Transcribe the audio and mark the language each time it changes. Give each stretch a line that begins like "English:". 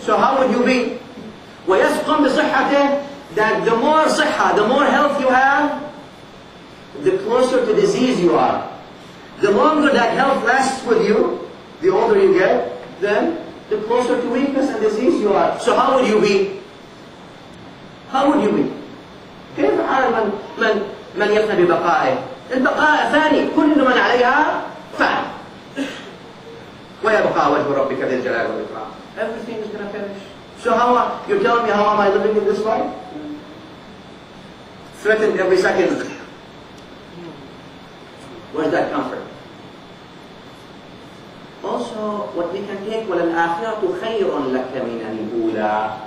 English: So how would you be?
Arabic: ويسقم بصحته.
English: That the more صحة, the more health you have, the closer to disease you are. The longer that health lasts with you, the older you get, then the closer to weakness and disease you are. So how would you be? How would you be?
Arabic: كيف حال من يفنى ببقائه؟ البقاء ثاني، كل من عليها فان. ويبقى وجه ربك ذي الجلال والإكرام.
English: Everything is gonna finish. So how are you telling me, how am I living in this life? Threatened every second. Where's that comfort? Also, what we can take,
Arabic: وَلَلْآخِرَةُ خَيْرٌ لَكَ مِنَ الْأُولَى.